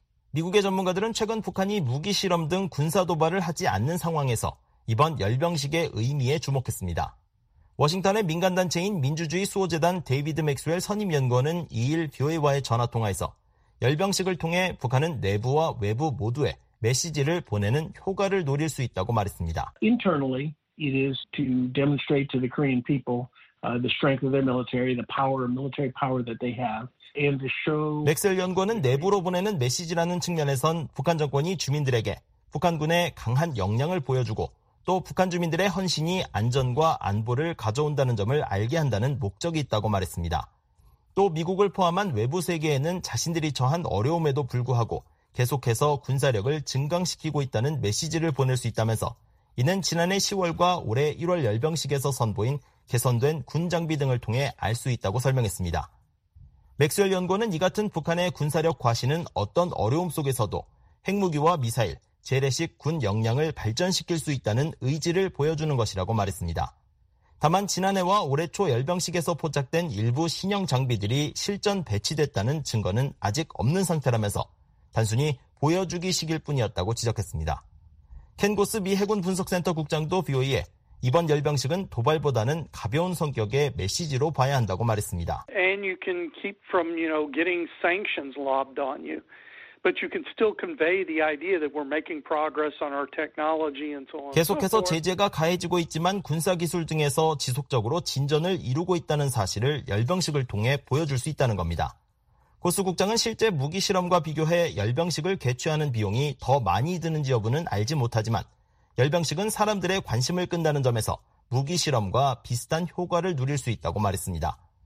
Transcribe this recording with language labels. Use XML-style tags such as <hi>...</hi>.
<ko>미국의 전문가들은 최근 북한이 무기실험 등 군사도발을 하지 않는 상황에서 이번 열병식의 의미에 주목했습니다. 워싱턴의 민간단체인 민주주의 수호재단 데이비드 맥스웰 선임연구원은 2일 BOA와의 전화통화에서 열병식을 통해 북한은 내부와 외부 모두에 메시지를 보내는 효과를 노릴 수 있다고 말했습니다.</ko> <en>Internally, it is to demonstrate to the Korean people the strength of their military, the power, military power that they have.</en> <ko>맥셀 연구원은 내부로 보내는 메시지라는 측면에선 북한 정권이 주민들에게 북한군의 강한 역량을 보여주고 또 북한 주민들의 헌신이 안전과 안보를 가져온다는 점을 알게 한다는 목적이 있다고 말했습니다. 또 미국을 포함한 외부 세계에는 자신들이 처한 어려움에도 불구하고 계속해서 군사력을 증강시키고 있다는 메시지를 보낼 수 있다면서 이는 지난해 10월과 올해 1월 열병식에서 선보인 개선된 군 장비 등을 통해 알 수 있다고 설명했습니다. 맥스웰 연구원은 이 같은 북한의 군사력 과시는 어떤 어려움 속에서도 핵무기와 미사일, 재래식 군 역량을 발전시킬 수 있다는 의지를 보여주는 것이라고 말했습니다. 다만 지난해와 올해 초 열병식에서 포착된 일부 신형 장비들이 실전 배치됐다는 증거는 아직 없는 상태라면서 단순히 보여주기식일 뿐이었다고 지적했습니다. 켄 고스 미 해군 분석센터 국장도 BOE에 이번 열병식은 도발보다는 가벼운 성격의 메시지로 봐야 한다고 말했습니다.</ko> <en>And you can keep from, you know, getting sanctions lobbed on you. but you can still convey the idea that we're making progress on our technology and so on.</en> <ko>계속해서 제재가 가해지고 있지만 군사 기술 등에서 지속적으로 진전을 이루고 있다는 사실을 열병식을 통해 보여줄 수 있다는 겁니다. 고수 국장은 실제 무기 실험과 비교해 열병식을 개최하는 비용이 더 많이 드는지 여부는 알지 못하지만 열병식은 사람들의 관심을 끈다는 점에서 무기 실험과 비슷한 효과를 누릴 수 있다고 말했습니다.</ko>